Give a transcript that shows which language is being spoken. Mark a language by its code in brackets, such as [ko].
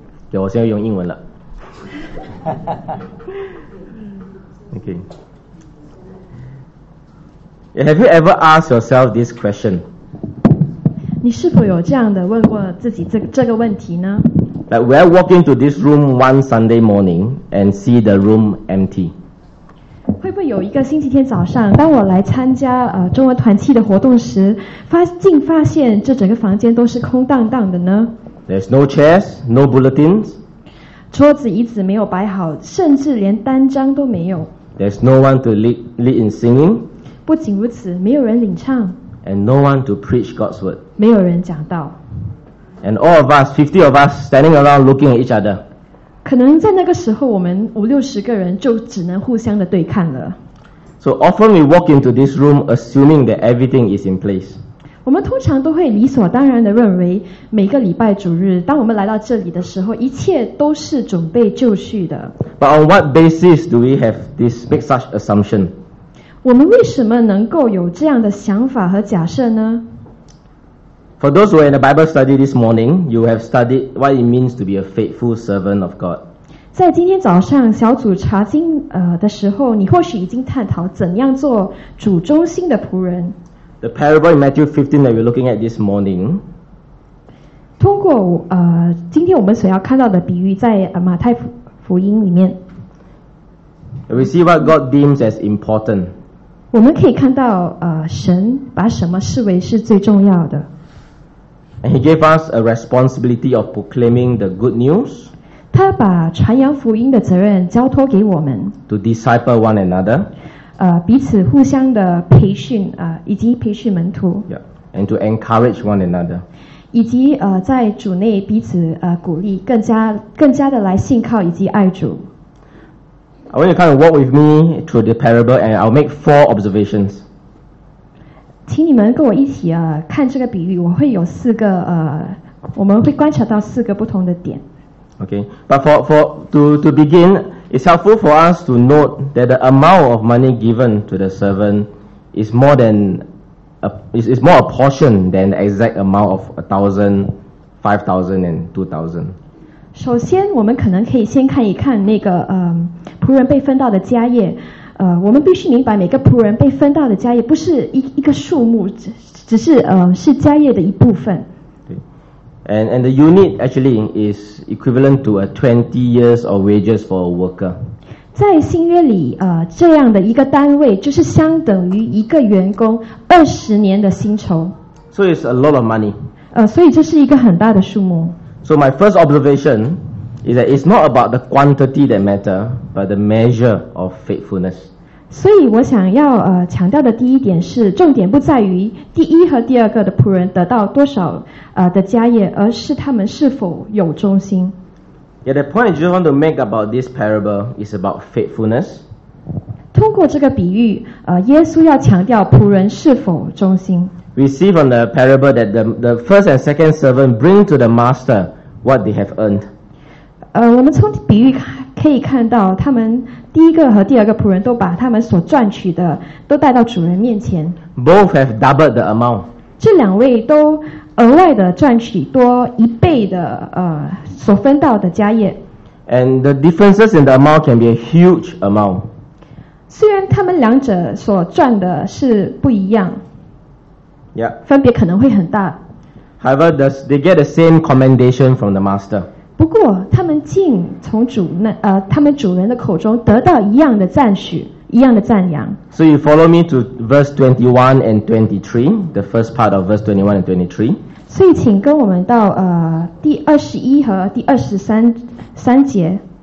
[zh] 对，我现在用英文了。Okay. [en] Have you ever asked yourself this question? [zh] 你是否有这样的问过自己这个问题呢？ [en] Like, we're walking to this room one Sunday morning and see the room empty. [zh] 会不会有一个星期天早上，当我来参加中文团契的活动时，发现这整个房间都是空荡荡的呢？ [en] There's no chairs, no bulletins. [zh] 桌子椅子没有摆好，甚至连单张都没有。 [en] There's no one to lead in singing. [zh] 不仅如此，没有人领唱。 [en] And no one to preach God's word. [zh] 没有人讲道。 [en] And all of us, 50 of us, standing around looking at each other. [zh] 可能在那个时候，我们50-60个人就只能互相的对看了。 [en] So often we walk into this room assuming that everything is in place. [zh] 我们通常都会理所当然的认为，每个礼拜主日，当我们来到这里的时候，一切都是准备就绪的。 [en] But on what basis do we have this make such assumption? [zh] 我们为什么能够有这样的想法和假设呢？ [en] For those who are in the Bible study this morning, you have studied what it means to be a faithful servant of God. [zh] 在今天早上小组查经的时候，你或许已经探讨怎样做主忠心的仆人。 [en] The parable in Matthew 15 that we're looking at this morning. [zh] 通过今天我们所要看到的比喻在马太福音里面。 [en] We see what God deems as important. [zh] 我们可以看到神把什么视为是最重要的。 [en] And he gave us a responsibility of proclaiming the good news. [zh] 他把传扬福音的责任交托给我们。 [en] To disciple one another. [zh] 彼此互相的培训以及培训门徒。 [en] Yeah. And to encourage one another. [zh] 以及在主内彼此鼓励，更加的来信靠以及爱主。 [en] I want you to kind of walk with me through the parable, and I'll make four observations. [zh] 请你们跟我一起看这个比喻，我会有四个我们会观察到四个不同的点。 [en] Okay, but to begin, it's helpful for us to note that the amount of money given to the servant is more a portion than the exact amount of 1,000, 5,000, and 2,000. [zh] 首先我们可能可以先看一看那个仆人被分到的家业我们必须明白每个仆人被分到的家业不是一个数目只是是家业的一部分。对。 [en] And the unit actually is equivalent to a 20 years of wages for a worker. [zh] 在新约里这样的一个单位就是相等于一个员工20年的薪酬。 [en] So it's a lot of money. [zh] 所以这是一个很大的数目。 [en] So my first observation is that it's not about the quantity that matter, but the measure of faithfulness. [zh] 所以我想要强调的第一点是，重点不在于第一和第二个的仆人得到多少的家业，而是他们是否有忠心。 [en] Yeah, the point I just want to make about this parable is about faithfulness. [zh] 通过这个比喻，耶稣要强调仆人是否忠心。 [en] We see from the parable that the first and second servant bring to the master what they have earned. [zh] 我们从比喻可以看到，他们第一个和第二个仆人都把他们所赚取的都带到主人面前。 [en] Both have doubled the amount. [zh] 这两位都额外的赚取多一倍的所分到的家业。 [en] And the differences in the amount can be a huge amount. [zh] 虽然他们两者所赚的是不一样。 [en] Yeah. [zh] 分别可能会很大。 [en] However, they get the same commendation from the master. [zh] 不过他们竟从他们主人的口中得到一样的赞许，一样的赞扬。 [en] So you follow me to verse 21 and 23, the first part of verse 21 and 23. [zh] 所以请跟我们到第21和第23节。